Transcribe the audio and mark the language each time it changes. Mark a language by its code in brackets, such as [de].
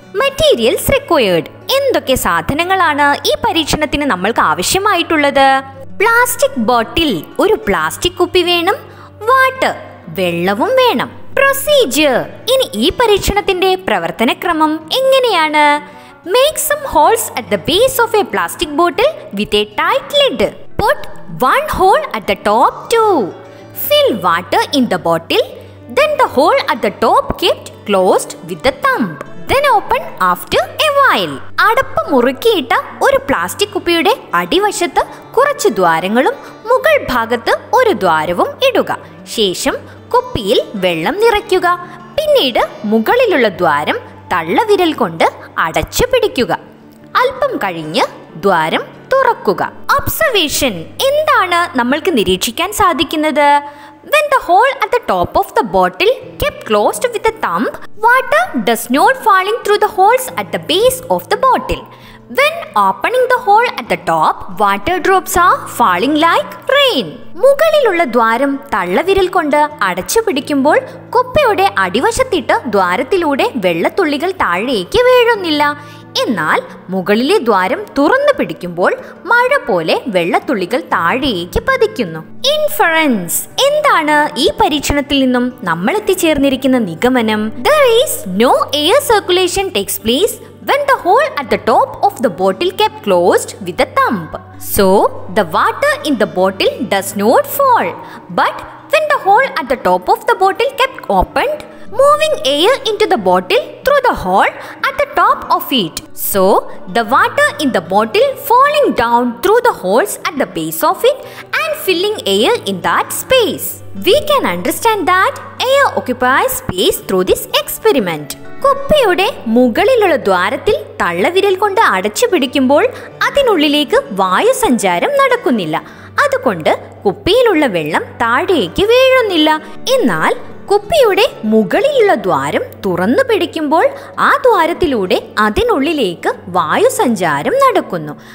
[ml] Materials required, എന്തൊക്കെ സാധനങ്ങളാണ് ഈ പരീക്ഷണത്തിന് നമ്മൾക്ക് ആവശ്യമായിട്ടുള്ളത്? പ്ലാസ്റ്റിക് ബോട്ടിൽ, ഒരു പ്ലാസ്റ്റിക് കുപ്പി വേണം. വാട്ടർ, വെള്ളവും വേണം. പ്രൊസീജിയർ, ഇനി ഈ പരീക്ഷണത്തിന്റെ പ്രവർത്തന ക്രമം എങ്ങനെയാണ്? [en] Make some holes at the base of a plastic bottle with a tight lid. Put one hole at the top too. Fill water in the bottle. Then the hole at the top kept closed with the thumb. Then open after a while. [ml] അടപ്പ് മുറുക്കിയിട്ട ഒരു plastic കുപ്പിയുടെ അടിവശത്ത് കുറച്ച് ദ്വാരങ്ങളും മുകൾ ഭാഗത്ത് ഒരു ദ്വാരവും ഇടുക. ശേഷം കുപ്പിയിൽ വെള്ളം നിറയ്ക്കുക. പിന്നീട് മുകളിലുള്ള ദ്വാരം തള്ളവിരൽ കൊണ്ട് അടച്ചു പിടിക്കുക. അല്പം കഴിഞ്ഞ് ദ്വാരം തുറക്കുക. ഒബ്സർവേഷൻ, എന്താണ് നമ്മൾക്ക് നിരീക്ഷിക്കാൻ സാധിക്കുന്നത്? [en] When the hole at the top of the bottle kept closed with a thumb, water does not falling through the holes at the base of the bottle. When opening the hole at the top, water drops are falling like rain. [ml] മുകളിലുള്ള ദ്വാരം തള്ളവിരൽ കൊണ്ട് അടച്ചു പിടിക്കുമ്പോൾ കുപ്പയുടെ അടിവശത്തിട്ട് ദ്വാരത്തിലൂടെ വെള്ളത്തുള്ളികൾ താഴേക്ക് വീഴുന്നില്ല. എന്നാൽ മുകളിലെ ദ്വാരം തുറന്നു പിടിക്കുമ്പോൾ മഴ പോലെ വെള്ളത്തുള്ളികൾ താഴേക്ക് പതിക്കുന്നു. ഇൻഫറൻസ്, എന്താണ് ഈ പരീക്ഷണത്തിൽ നിന്നും നമ്മൾ എത്തിച്ചേർന്നിരിക്കുന്ന നിഗമനം? [en] There is no air circulation takes place when the hole at the top of the bottle kept closed with a thumb. So, the water in the bottle does not fall. But when the hole at the top of the bottle kept opened, moving air into the bottle through the hole at the top of it. So, the water in the bottle falling down through the holes at the base of it and filling air in that space. We can understand that air occupies space through this experiment. [ml] കുപ്പയുടെ മുകളിലുള്ള ദ്വാരത്തിൽ തള്ളവിരൽ കൊണ്ട് അടച്ചു പിടിക്കുമ്പോൾ അതിനുള്ളിലേക്ക് വായുസഞ്ചാരം നടക്കുന്നില്ല. അതുകൊണ്ട് കുപ്പിയിലുള്ള വെള്ളം താഴേക്ക് വീഴുന്നില്ല. എന്നാൽ കുപ്പിയുടെ മുകളിലുള്ള ദ്വാരം തുറന്നു പിടിക്കുമ്പോൾ ആ ദ്വാരത്തിലൂടെ അതിനുള്ളിലേക്ക് വായുസഞ്ചാരം നടക്കുന്നു.